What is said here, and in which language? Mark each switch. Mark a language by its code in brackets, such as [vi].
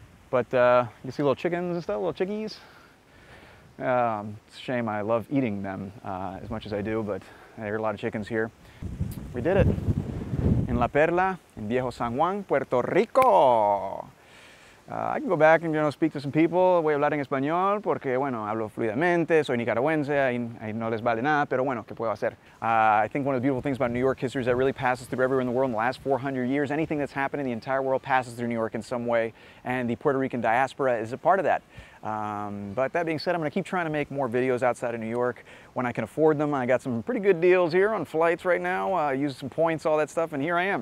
[en] But you see little chickens and stuff, little chickies. It's a shame, I love eating them as much as I do, but I hear a lot of chickens here. We did it. In La Perla, in Viejo San Juan, Puerto Rico. I can go back and, you know, speak to some people. [es] Voy a hablar en español porque, bueno, hablo fluidamente, soy nicaragüense, y no les vale nada, pero bueno, ¿qué puedo hacer? [en] I think one of the beautiful things about New York history is that it really passes through everywhere in the world in the last 400 years. Anything that's happened in the entire world passes through New York in some way, and the Puerto Rican diaspora is a part of that. But that being said, I'm going to keep trying to make more videos outside of New York when I can afford them. I got some pretty good deals here on flights right now, using some points, all that stuff, and here I am.